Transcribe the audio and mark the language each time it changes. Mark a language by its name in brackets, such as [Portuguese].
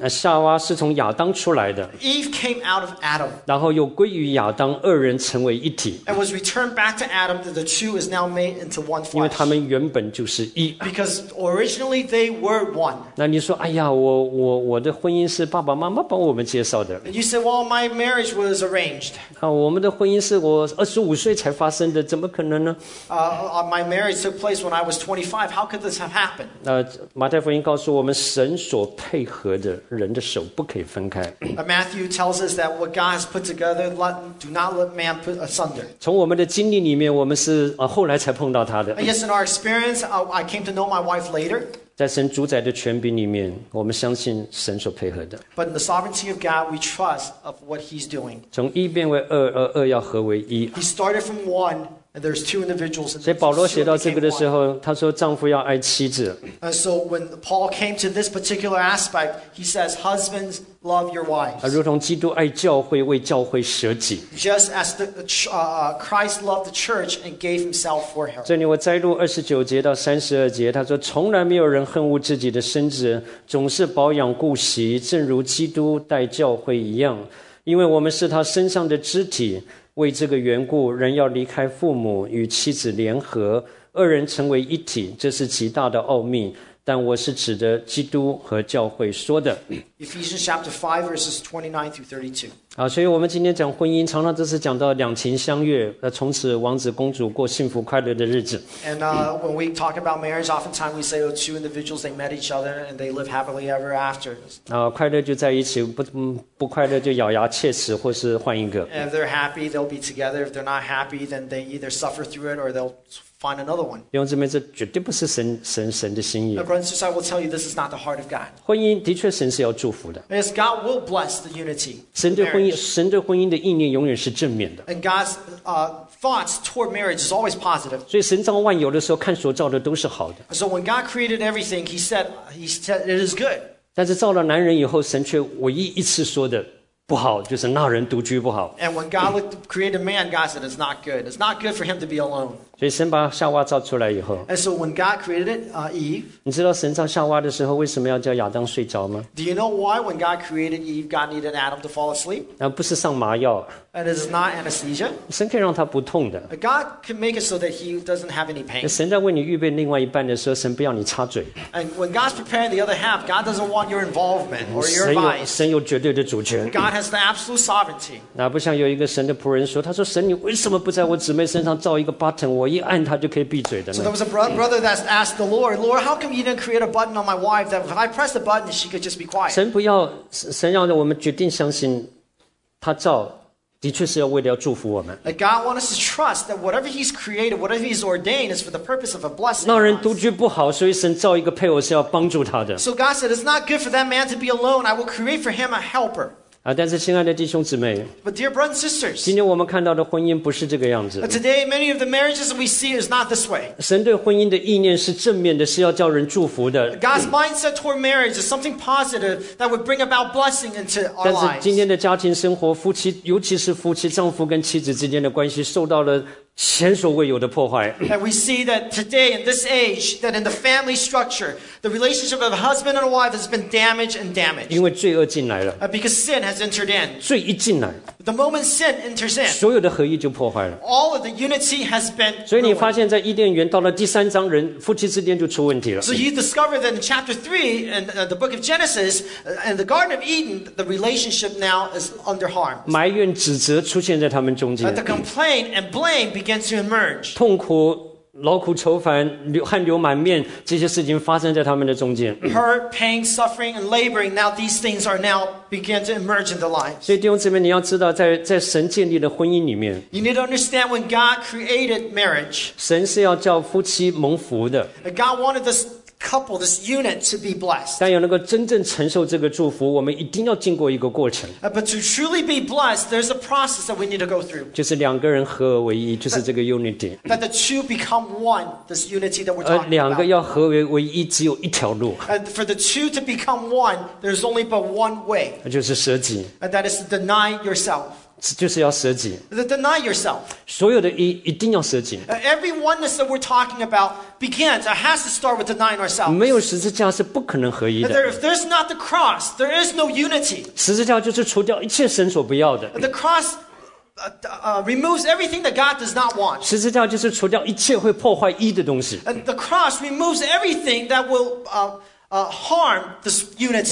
[Chinese] 夏娃是从亚当出来的。 [English] Eve came out of Adam. [Chinese] 然后又归于亚当，二人成为一体。 [English] And was returned back to Adam, that the two is now made into one flesh. [Chinese] 因为他们原本就是一。 [English] Because originally they were one. [Chinese] 那你说，哎呀，我的婚姻是爸爸妈妈帮我们介绍的。 [English] You said, well, my marriage was arranged. [Chinese] 我们的婚姻是我25岁才发生的，怎么可能呢？ [English] My marriage took place when I was 25. How could this have happened? [Chinese] 马太福音告诉我们，神所配合的人的手不可以分开。 [English] Matthew tells us that what God has put together, do not let man put asunder. [Chinese] 从我们的经历里面，我们是后来才碰到他的。 [English] Yes, in our experience, I came to know my wife later. [Chinese] 在神主宰的权柄里面，我们相信神所配合的。 [English] But in the sovereignty of God, we trust of what He's doing. [Chinese] 从一变为二，而二要合为一。 [English] He started from one. And there's two individuals. [Chinese] 所以保罗写到这个的时候，他说丈夫要爱妻子。 [English] And so when Paul came to this particular aspect, he says, husbands, love your wives. [Chinese] 如同基督爱教会，为教会舍己。 [English] Just as the Christ loved the church and gave himself for her. [Chinese] 这里我摘录29-32节，他说从来没有人恨恶自己的身子，总是保养顾惜，正如基督待教会一样，因为我们是他身上的肢体。为这个缘故，人要离开父母，与妻子联合，二人成为一体，这是极大的奥秘。但我是指的基督和教会说的。 [English] Ephesians chapter 5 verses 29 through 32. [Chinese] 好，所以我们今天讲婚姻，常常都是讲到两情相悦，从此王子公主过幸福快乐的日子。 [English] And when we talk about marriage, oftentimes we say, oh, two individuals, they met each other and they live happily ever after. [Chinese] 快乐就在一起，不快乐就咬牙切齿，或是换一个。 [English] And if they're happy, they'll be together. If they're not happy, then they either suffer through it or they'll... Find another one. [Chinese] 弟兄姊妹，这绝对不是神的心意。 [English] Brothers, I will tell you, this is not the heart of God. [Chinese] 婚姻的确神是要祝福的。 [English] Yes, God will bless the unity. [Chinese] 神对婚姻的意念永远是正面的。 [English] And God's thoughts toward marriage is always positive. [Chinese] 所以神造万有的时候，看所造的都是好的。 [English] So when God created everything, He said it is good. [Chinese] 但是造了男人以后，神却唯一一次说的。不好，就是那人独居不好。 [English] And when God created man, God said it's not good. It's not good for him to be alone. [Chinese] 所以神把夏娃造出来以后。 [English] And so when God created it, Eve. [Chinese] 你知道神造夏娃的时候为什么要叫亚当睡着吗 [English] ？Do you know why when God created Eve, God needed Adam to fall asleep? [Chinese] 不是上麻药。 [English] And it's not anesthesia. [Chinese] 神可以让他不痛的。 [English] God can make it so that he doesn't have any pain. [Chinese] 神在为你预备另外一半的时候，神不要你插嘴。 [English] And when God's preparing the other half, God doesn't want your involvement or your advice. [Chinese] 神有绝对的主权。 [English] God has the absolute sovereignty. [Chinese] 那不像有一个神的仆人说，他说神，你为什么不在我姊妹身上造一个 button？我一按他就可以闭嘴的呢 [English] ？So there was a brother that asked the Lord, Lord, how come you didn't create a button on my wife that if I press the button, she could just be quiet? [Chinese] 神不要，神要我们决定相信他造。的确是要为了要祝福我们。 [English] God wants us to trust that whatever He's created, whatever He's ordained, is for the purpose of a blessing. [Chinese] 那人独居不好，所以神造一个配偶是要帮助他的。 [English] So God said, "It's not good for that man to be alone. I will create for him a helper." [Chinese] 但是亲爱的弟兄姊妹 [English] ，But dear brothers and sisters, [Chinese] 今天我们看到的婚姻不是这个样子。 [English] Today, many of the marriages we see is not this way. [Chinese] 神对婚姻的意念是正面的，是要叫人祝福的。 [English] God's mindset toward marriage is something positive that would bring about blessing into our lives. [Chinese] 但是今天的家庭生活，夫妻，尤其是夫妻，丈夫跟妻子之间的关系，受到了。前所未有的破坏。 [English] And we see that today in this age, that in the family structure, the relationship of a husband and a wife has been damaged and damaged. [Chinese] 因为罪恶进来了。 [English] Because sin has entered in. [Chinese] 罪一进来。 [English] The moment sin enters in. [Chinese] 所有的合一就破坏了。 [English] All of the unity has been ruined. [Chinese] 所以你发现在伊甸园到了第三章人夫妻之间就出问题了。 [English] So you discover that in chapter 3 in the book of Genesis, in the Garden of Eden, the relationship now is under harm. [Chinese] 埋怨指责出现在他们中间。 [English] The complaint and blame began to emerge. [Chinese] 痛苦劳苦愁烦汗流满面这些事情发生在他们的中间 [English] Hurt, pain, suffering, and laboring Now these things are now begin to emerge in the lives [Chinese] 所以弟兄姊妹你要知道 在神建立的婚姻里面 [English] You need to understand when God created marriage [Chinese] 神是要叫夫妻蒙福的 [English] God wanted this couple, this unit to be blessed [Chinese] 但要能够真正承受这个祝福我们一定要经过一个过程 [English] But to truly be blessed, there's a process that we need to go through [Chinese] 就是两个人合而为一就是这个 unity [English] that the two become one, this unity that we're talking about [Chinese] 两个要合而为一只有一条路 [English] And for the two to become one, there's only but one way [Chinese] 就是舍己 [English] And that is to deny yourself [Chinese] 就是要舍己 [English] deny yourself [Chinese] 所有的一定要舍己 [English] every oneness that we're talking about begins or has to start with denying ourselves [Chinese] 没有十字架是不可能合一的 [English] if there's not the cross there is no unity [Chinese] 十字架就是除掉一切神所不要的 [English] the crossremoves everything that God does not want. [Chinese] 十字架就是除掉一切会破坏一的东西 [English] And the cross removes everything that will harm this unity.